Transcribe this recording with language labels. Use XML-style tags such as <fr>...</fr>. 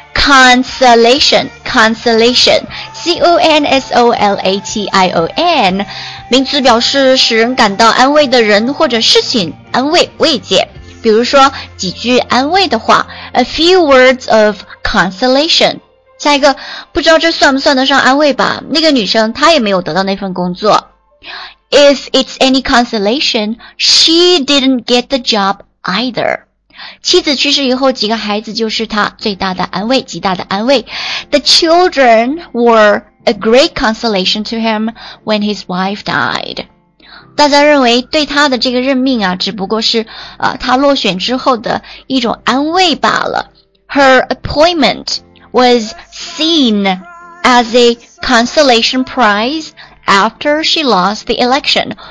<zh>Consolation C-O-N-S-O-L-A-T-I-O-N 名词，表示使人感到安慰的人或者事情，安慰慰藉，比如说几句安慰的话，</zh> <en>A few words of consolation。</en> <zh>下一个，不知道这算不算得上安慰吧，那个女生她也没有得到那份工作。</zh> <en>If it's any consolation, she didn't get the job either。</en> <zh>妻子去世以后，几个孩子就是她最大的安慰，极大的安慰。</zh> <en>The children were a great consolation to him when his wife died。</en> <zh>大家认为对他的这个任命啊，只不过是他落选之后的一种安慰罢了。</zh> <en>Her appointment was seen as a consolation prize after she lost the election.</en>